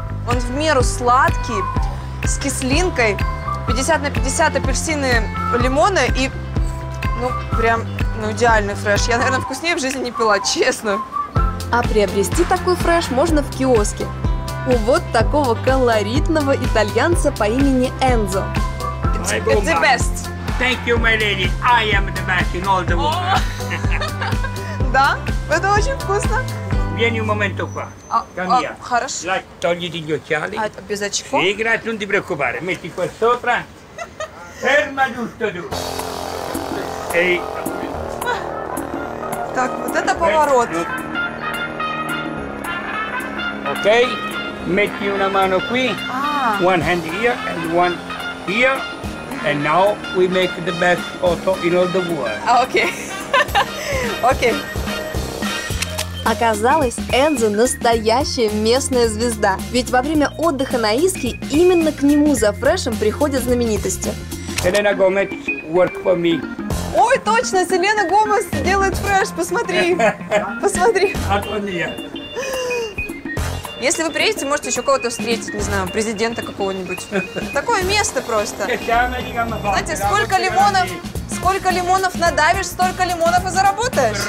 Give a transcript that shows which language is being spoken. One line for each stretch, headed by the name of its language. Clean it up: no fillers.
Russian: Он в меру сладкий, с кислинкой, 50 на 50 апельсины, лимона и, ну, прям, ну, идеальный фреш. Я, наверное, вкуснее в жизни не пила, честно. А приобрести такой фреш можно в киоске. У вот такого колоритного итальянца по имени Энзо.
English: It's the best. Thank you, my lady. I am the best in all the world.
Russian: Да? Это очень вкусно.
Italian: Vieni un momento qua.
Russian: Хорошо.
Italian: Togliti gli occhiali.
Russian: Без очков.
Italian: Sì, grazie. Non ti preoccupare. Metti qua sopra. Ferma tutto tu. Ehi.
Russian: Так, вот это поворот. Окей.
Italian: Metti una mano qui,
English: one hand here, and one here, and now we make the best photo in all the world. Okay. Okay.
Russian: Оказалось, Энзо настоящая местная звезда. Ведь во время отдыха на Иске именно к нему за фрешем приходят знаменитости.
English: Selena Gomez work for me.
Russian: Ой, точно, Селена Гомес делает фреш, посмотри. Посмотри. Отвали. Если вы приедете, можете еще кого-то встретить, не знаю, президента какого-нибудь. Такое место просто. Знаете, сколько лимонов надавишь, столько лимонов и заработаешь.